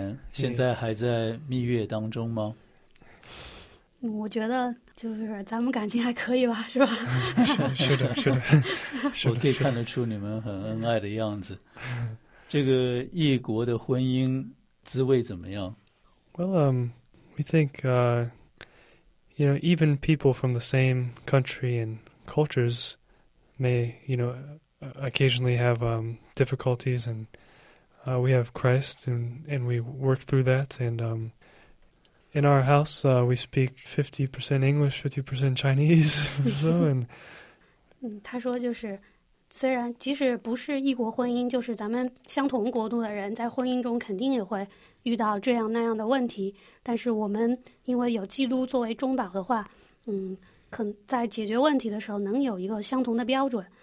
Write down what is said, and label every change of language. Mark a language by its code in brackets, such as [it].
[zh] 现在还在蜜月当中吗？我觉得就是咱们感情还可以吧，是吧？是的。我可以看得出你们很恩爱的样子。这个异国的婚姻滋味怎么样？ [en] Well, we think, you know, even people from the same country and cultures may, you know, occasionally have difficulties, and we have Christ, and we work through that. And in our house, we speak 50% English, 50% Chinese. So, and [zh] 他说就是，虽然即使不是异国婚姻，就是咱们相同国度的人，在婚姻中肯定也会遇到这样那样的问题，但是我们因为有基督作为中保的话，可在解决问题的时候能有一个相同的标准。